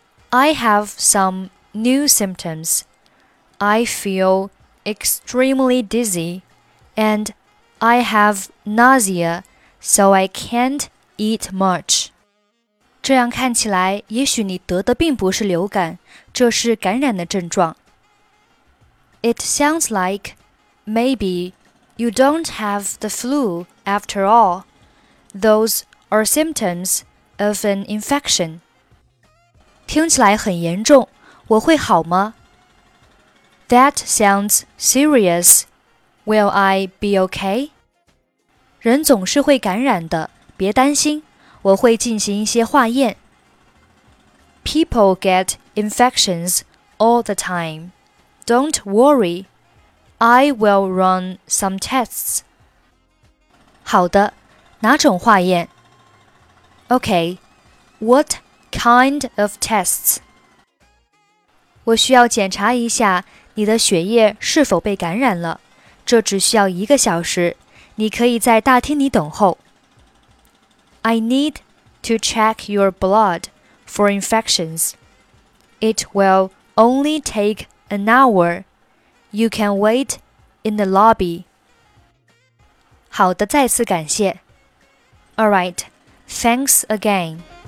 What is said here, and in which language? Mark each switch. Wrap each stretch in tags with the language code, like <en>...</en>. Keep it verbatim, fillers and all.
<en>I have some new symptoms. I feel extremely dizzy and I have nausea, so I can't eat much.</en> <zh>这样看起来，也许你得的并不是流感，这是感染的症状。</zh> <en>It sounds like maybe you don't have the flu after all. Those are symptoms of an infection.</en> <zh>听起来很严重，我会好吗？</zh> <en>That sounds serious. Will I be okay?</en> <zh>人总是会感染的，别担心，我会进行一些化验。</zh> <en>People get infections all the time. Don't worry. I will run some tests.</en> <zh>好的，哪种化验？</zh> <en>Okay, what kind of tests?</en> <zh>我需要检查一下你的血液是否被感染了。这只需要一个小时，你可以在大厅里等候。</zh> <en>I need to check your blood for infections. It will only take an hour. You can wait in the lobby.</en> <zh>好的，再次感谢。</zh> <en>All right, thanks again.</en>